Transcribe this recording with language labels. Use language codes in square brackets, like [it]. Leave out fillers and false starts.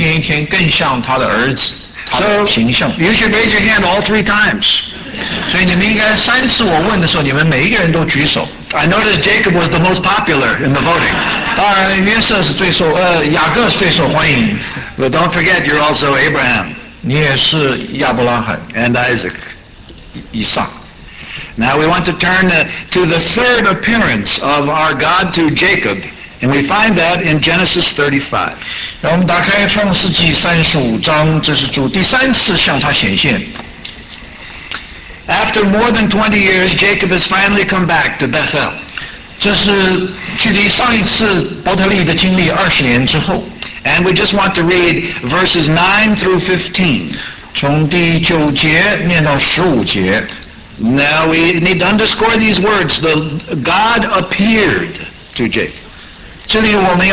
[zh] 也像雅各一样，我们靠着他改变我们，一天一天更像他的儿子，他的形象。 [en] So you should raise your hand all three times. [zh] 所以你们应该三次我问的时候，你们每一个人都举手。 [en] I noticed Jacob was the most popular in the voting. [zh] 当然，约瑟是最受，雅各是最受欢迎。 [en] But don't forget, you're also Abraham. [zh] 你也是亚伯拉罕。 [en] And Isaac. [zh] 以撒。 [en] Now we want to turn to the third appearance of our God to Jacob, and we find that in Genesis 35. [zh] 让我们打开创世纪35章，这是主第三次向他显现。 [en] After more than 20 years, Jacob has finally come back to Bethel. [zh] 这是距离上一次伯特利的经历20年之后。 [en] And we just want to read verses 9 through 15. [zh] 从第9节念到15节。 [en] Now we need to underscore these words, the God appeared to Jacob.